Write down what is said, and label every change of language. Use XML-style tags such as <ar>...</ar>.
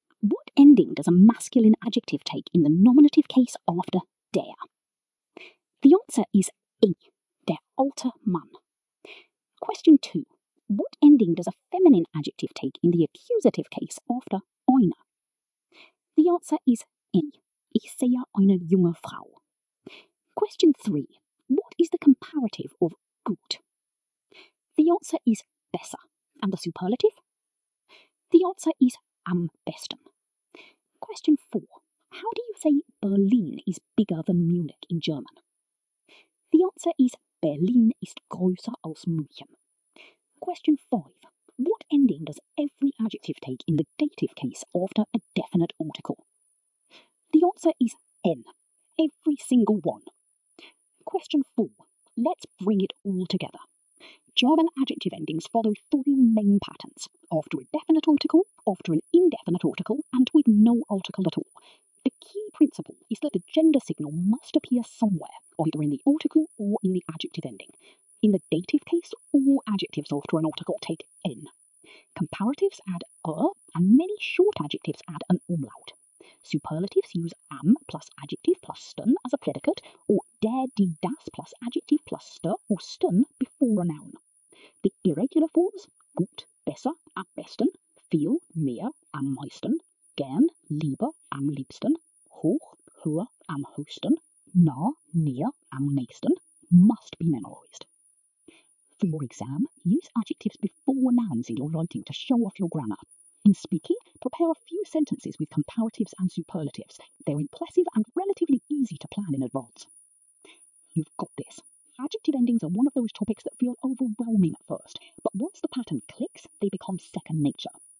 <en>What ending does a masculine adjective take in the nominative case after der? The answer is e,</en> <de>der alte Mann.</de> <en>Question two. What ending does a feminine adjective take in the accusative case after einer? The answer is e,</en> <de>ich sehe eine junge Frau.</de> <en>Question three. What is the comparative of gut? The answer is besser. And the superlative? The answer is am besten. Question four. How do you say Berlin is bigger than Munich in German? The answer is</en> <de>Berlin ist größer als München.</de> <en>Question five. What ending does every adjective take in the dative case after a definite article? The answer is N. Every single one. Question four. Let's bring it all together. German adjective endings follow three main patterns: after a definite article, after an indefinite article, and with no article at all. The key principle is that the gender signal must appear somewhere, either in the article or in the adjective ending. In the dative case, all adjectives after an article take N. Comparatives add er and many short adjectives add an umlaut. Superlatives use am plus adjective plus stun as a predicate, or der, die, das plus adjective plus stur or stun before a noun. The irregular forms, gut, besser, am besten, viel, mehr, am meisten, gern, lieber, am liebsten, hoch, höher, am höchsten, nah, near, am nächsten, must be memorized. For your exam, use adjectives before nouns in your writing to show off your grammar. In speaking, prepare a few sentences with comparatives and superlatives. They're impressive and relatively easy to plan in advance. You've got this. Adjective endings are one of those topics that feel overwhelming at first, but once the pattern clicks, they become second nature.</en>